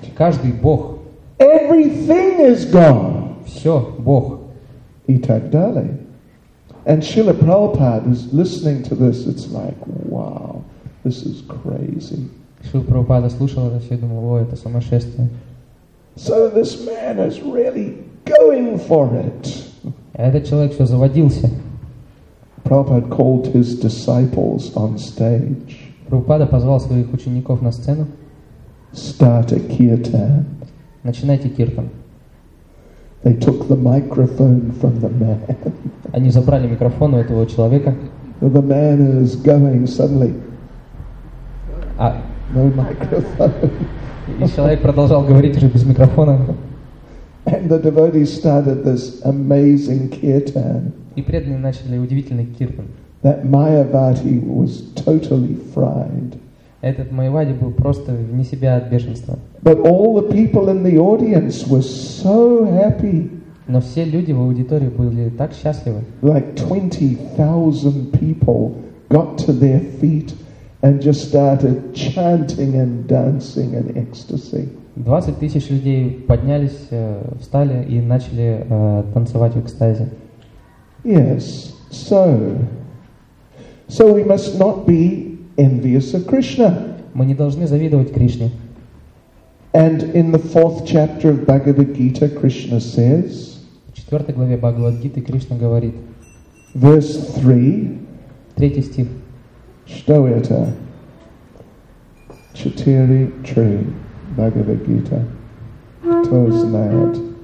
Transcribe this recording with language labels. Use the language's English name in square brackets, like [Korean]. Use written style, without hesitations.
[Russian] Каждый Бог. [English] Everything is God. [Russian] Все Бог. И так далее. [English] And Srila Prabhupada is listening to this. It's like, wow, this is crazy. [Russian] Шрила Прабхупада слушал это все и думал: о, это сумасшествие. [English] So this man is really going for it. [Russian] Этот человек все заводился. [English] Prabhupada called his disciples on stage. [Russian] Прабхупада позвал своих учеников на сцену. [English] Start a kirtan. [Russian] Начинайте киртан. [English] They took the microphone from the man. [Russian] Они забрали микрофон у этого человека. [English] The man is going suddenly. А. No microphone. [Russian] И человек продолжал говорить уже без микрофона. [English] And the devotees started this amazing kirtan. [Russian] И преданные начали удивительный киртан. [English] That Mayavadi was totally fried. [Russian] Этот Майявади был просто вне себя от бешенства. [English] But all the people in the audience were so happy. [Russian] Но все люди в аудитории были так счастливы. [English] Like 20,000 people got to their feet and just started chanting and dancing in ecstasy. [Russian] 20 тысяч людей поднялись, встали и начали танцевать в экстазе. [English] Yes, so we must not be envious of Krishna. [Russian] Мы не должны завидовать Кришне. [English] And in the fourth chapter of Bhagavad Gita, Krishna says. [Russian] В четвертой главе Бхагавад Гиты Кришна говорит. [English] Verse 3. [Russian] Третий стих. Что это? Четыре три. Bhagavad Gita. Кто знает?